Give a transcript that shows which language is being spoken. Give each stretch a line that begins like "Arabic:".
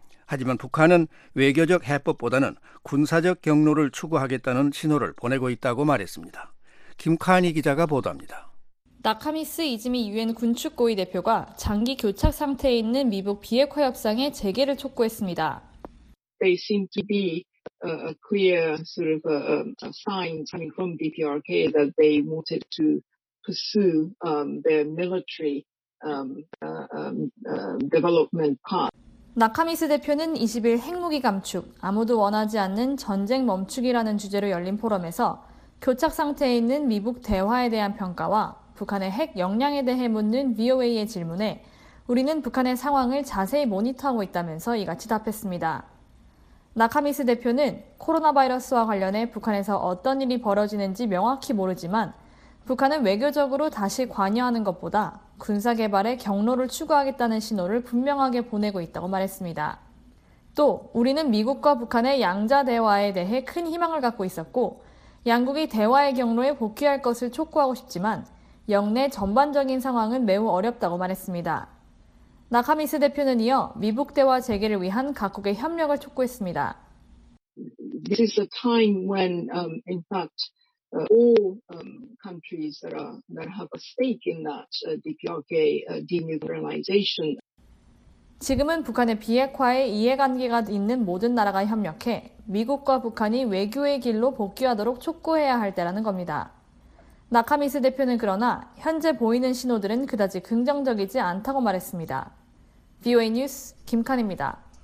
Korean: 하지만 북한은 외교적 해법보다는 군사적 경로를 추구하겠다는 신호를 보내고 있다고 말했습니다. 김카니 기자가 보도합니다. 나카미스 이즈미 유엔 군축 고위 대표가 장기 교착 상태에 있는 미북 비핵화 협상의 재개를 촉구했습니다.
English: They seem to be a clear sort of a sign coming from BPRK that they wanted to pursue their military development path.
Korean: 나카미스 대표는 20일 핵무기 감축, 아무도 원하지 않는 전쟁 멈추기라는 주제로 열린 포럼에서 교착 상태에 있는 미북 대화에 대한 평가와 북한의 핵 역량에 대해 묻는 VOA의 질문에 우리는 북한의 상황을 자세히 모니터하고 있다면서 이같이 답했습니다. 나카미스 대표는 코로나 바이러스와 관련해 북한에서 어떤 일이 벌어지는지 명확히 모르지만 북한은 외교적으로 다시 관여하는 것보다 군사 개발의 경로를 추구하겠다는 신호를 분명하게 보내고 있다고 말했습니다. 또 우리는 미국과 북한의 양자 대화에 대해 큰 희망을 갖고 있었고 양국이 대화의 경로에 복귀할 것을 촉구하고 싶지만 영내 전반적인 상황은 매우 어렵다고 말했습니다. 나카미스 대표는 이어 미북 대화 재개를 위한 각국의 협력을 촉구했습니다.
English: This is a time when in fact all countries that have a stake in that DPRK denuclearization.
Korean: 지금은 북한의 비핵화에 이해관계가 있는 모든 나라가 협력해 미국과 북한이 외교의 길로 복귀하도록 촉구해야 할 때라는 겁니다. 나카미스 대표는 그러나 현재 보이는 신호들은 그다지 긍정적이지 않다고 말했습니다. VOA 뉴스 김칸입니다.